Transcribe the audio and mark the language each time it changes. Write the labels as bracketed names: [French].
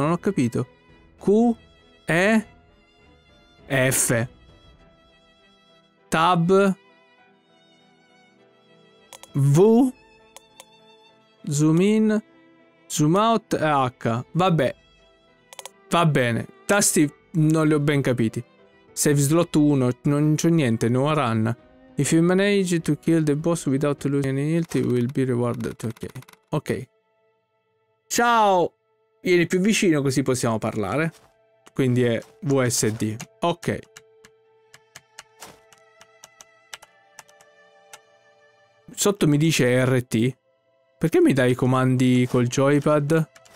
[Italian] Non ho capito. Q, E, F. Tab. V. Zoom in. Zoom out. H. Vabbè. Va bene. Tasti non li ho ben capiti. [English] Save slot 1. [Italian] Non c'ho niente. No run. [English] If you manage to kill the boss without losing any health, you will be rewarded. [Italian] Ok. Ok. Ciao! Vieni più vicino così possiamo parlare. Quindi è VSD. Ok. Sotto mi dice RT. Perché mi dai i comandi col joypad?